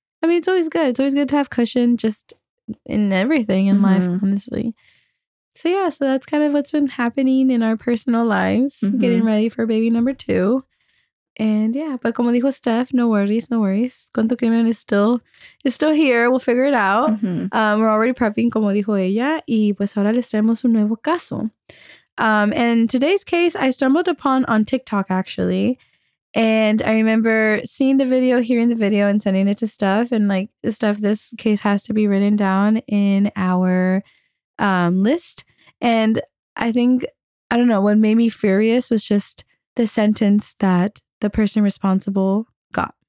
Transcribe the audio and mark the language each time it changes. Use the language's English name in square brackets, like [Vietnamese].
[English] I mean, it's always good. It's always good to have cushion just in everything in mm-hmm. life, honestly. So yeah, so that's kind of what's been happening in our personal lives, mm-hmm. getting ready for baby number two. And yeah, but [Spanish] como dijo Steph, [English] no worries. Cuento Crimen is still here. We'll figure it out. Mm-hmm. We're already prepping, [Spanish] como dijo ella. Y pues ahora les traemos un nuevo caso. [English] And today's case, I stumbled upon on TikTok, actually. And I remember seeing the video, hearing the video, and sending it to Steph. And like, Steph, this case has to be written down in our list. And I think, I don't know, what made me furious was just the sentence that the person responsible got.